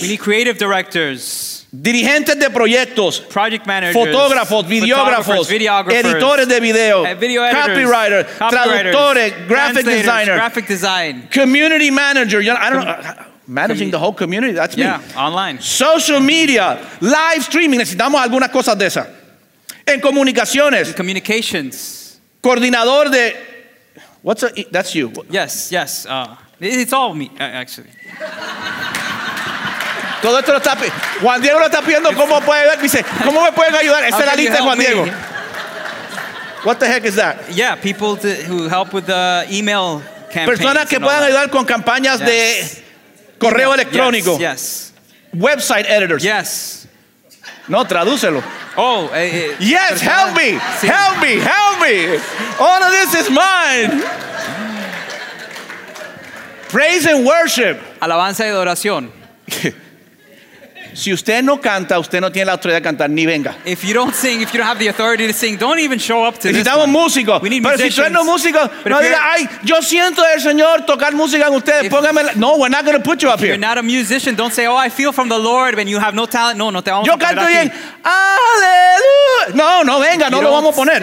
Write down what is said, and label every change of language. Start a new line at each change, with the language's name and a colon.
English: We need creative directors.
Spanish: Dirigentes de proyectos,
English: project managers,
Spanish: fotógrafos, videógrafos, editores de video,
English: video editors, copywriters, traductores, graphic designers, graphic design, community manager, you know, I don't know, managing the whole community, that's yeah, me. Yeah, online. Social media, live streaming,
Spanish: necesitamos algunas cosas de esas. En comunicaciones.
English: In communications.
Spanish: Coordinador de,
English: what's a, that's you. Yes, yes, it's all me, actually.
Spanish: Todo esto lo está pidiendo. Juan Diego lo está pidiendo. ¿Cómo puede ayudar? Dice, ¿cómo me pueden ayudar? Esa es la lista de Juan Diego.
English: What the heck is that? Yeah, people who help with the email campaigns.
Spanish: Personas que puedan ayudar con campañas de correo electrónico.
English: Yes. Website editors. Yes.
Spanish: No, tradúcelo.
English: Oh. Yes, help me. Help me. Help me. All of this is mine. Praise and worship.
Spanish: Alabanza y adoración. Si usted no canta, usted no tiene la autoridad de cantar, ni venga.
English: If you don't sing, if you don't have the authority to sing, don't even show up to this.
Spanish: Necesitamos músicos.
English: We need
Spanish: pero
English: musicians.
Spanish: Pero si usted no es músico, no diga, ay, yo siento el Señor tocar música en ustedes, póngame la.
English: No, we're not going to put you up here. If you're not a musician, don't say, oh, I feel from the Lord, and you have no talent.
Spanish: No, no te vamos yo a poner aquí. Yo canto bien. Aleluya. No, no venga, no lo vamos a poner.